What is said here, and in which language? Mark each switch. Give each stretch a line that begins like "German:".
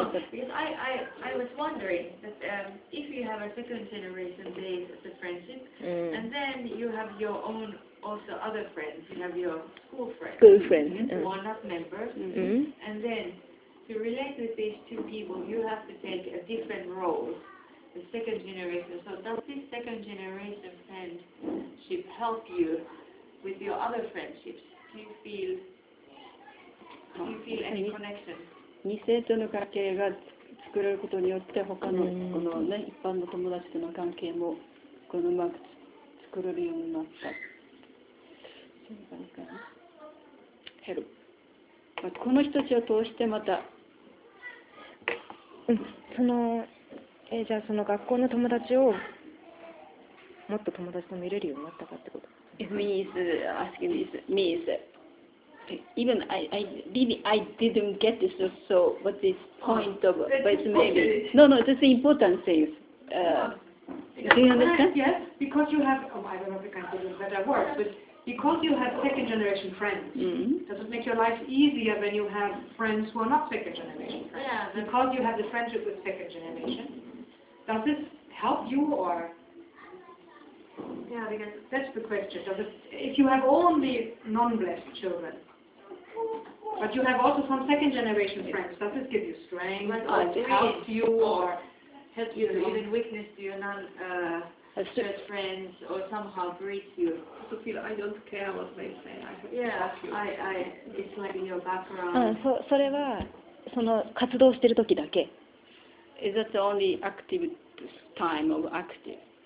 English: because I was wondering that if you have a second generation base as a friendship and then you have your own also other friends, you have your school friends one up members and then to relate with these two people you have to take a different role. The second generation. So does this second generation friendship help you with your other friendships? Do you feel any connection?
Japanese: 二生との関係が作れることによって他のこのね一般の友達との関係もこのうまく作れるようになった。そういう感じかな。ヘル。この人たちを通してまた。その。じゃあその学校の友達をもっと友達と見れるようになったかってこと
English: If me is asking this, means even I didn't get this, so what's this point of, but maybe, no, it's important things. Do you understand? Yes, because you have, I don't know if I can say this better word, but because you have second generation friends, does it make your life easier when you have friends who are not second generation friends? Yeah. Because you have the friendship with second generation, does this help you or? Yeah, because that's the question. Does it, if you have only non-blessed children, but you have also some second generation friends, does this give you strength even weakness to your non-blessed friends or somehow greet you? So feel I don't care what they say. It's like in your background.
Japanese: それはその活動してる時だけ。
English: Is that the only active time of active?